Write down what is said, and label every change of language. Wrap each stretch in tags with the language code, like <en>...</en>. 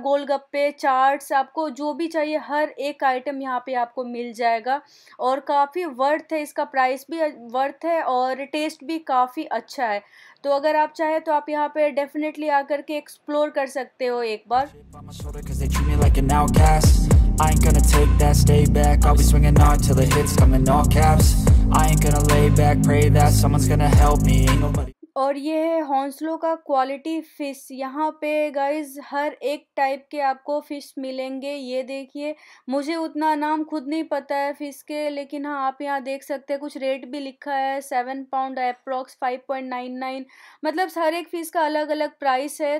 <hi>गोलगप्पे, चाट्स, आपको जो भी चाहिए हर एक आइटम यहाँ पर आपको मिल जाएगा. और काफ़ी वर्थ है, इसका प्राइस भी वर्थ है और टेस्ट भी काफ़ी अच्छा है. तो अगर आप चाहे तो आप यहाँ पे डेफिनेटली आकर के एक्सप्लोर कर सकते हो एक बार.</hi> <en>I ain't gonna take that, stay back. I'll be swinging hard till the hits come in all caps. I ain't gonna lay back, pray that someone's gonna help me. Ain't nobody.</en> <hi>और ये है हॉन्सलो का quality fish. यहाँ पे guys हर एक type के आपको fish मिलेंगे. ये देखिए, मुझे उतना नाम खुद नहीं पता है फ़िश के, लेकिन हाँ आप यहाँ देख सकते हैं कुछ रेट भी लिखा है. 7 pound अप्रॉक्स 5.99, मतलब हर एक फ़िश का अलग अलग प्राइस है.</hi>